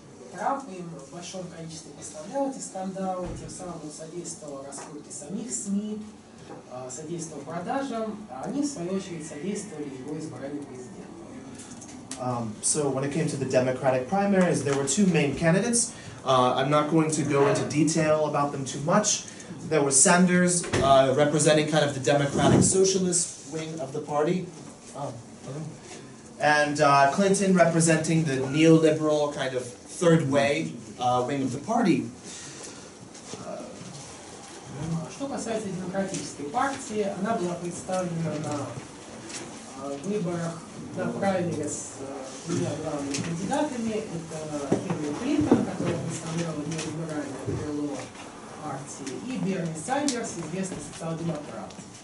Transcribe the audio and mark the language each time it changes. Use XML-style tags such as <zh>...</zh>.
<ru>Трамп им в большом количестве представлял эти скандалы, тем самым он содействовал раскрутке самих СМИ, содействовал продажам, а они, в свою очередь, содействовали его избранию президента.</ru> <en>So when it came to the Democratic primaries, there were two main candidates. I'm not going to go into detail about them too much. There was Sanders, representing kind of the Democratic Socialist wing of the party. And Clinton, representing the neoliberal kind of third way wing of the party.</en> <ru>Что касается демократической партии, она была представлена на выборах на праймерис с двумя главными кандидатами. Это Хиллари Клинтон, которая представляла неолиберальное крыло партии, и Берни Сандерс, известный социал-демократ.</ru>